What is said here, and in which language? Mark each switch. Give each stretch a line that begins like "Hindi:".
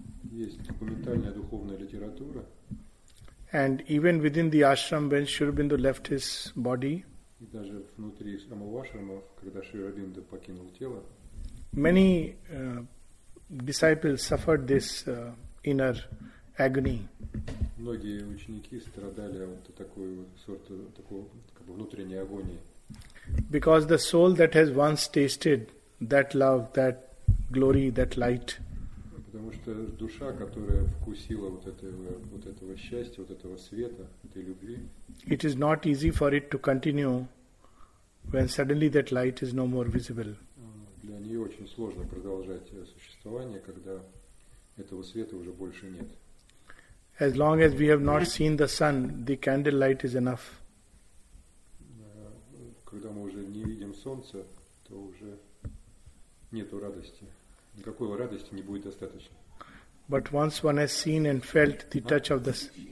Russian: Есть документальная духовная литература.
English: And even within the ashram, when Sri Aurobindo left his body,
Russian: и даже внутри самого ашрама, когда Шри Аурабинда покинул тело,
English: many disciples suffered this inner agony.
Russian: Многие ученики страдали от такой внутренней агонии.
English: Because the soul that has once tasted that love, that glory, that light,
Russian: потому что душа, которая вкусила вот этого счастья, вот этого света, этой любви,
English: it is not easy for it to continue when suddenly that light is no more visible.
Russian: Для нее очень сложно продолжать существование, когда этого света уже больше нет.
English: As long as we have not seen the sun, the candle light is enough.
Russian: Когда мы уже не видим солнца, то уже нету радости. Никакой радости не будет достаточно.
English: But once one has seen and felt the touch of the sun.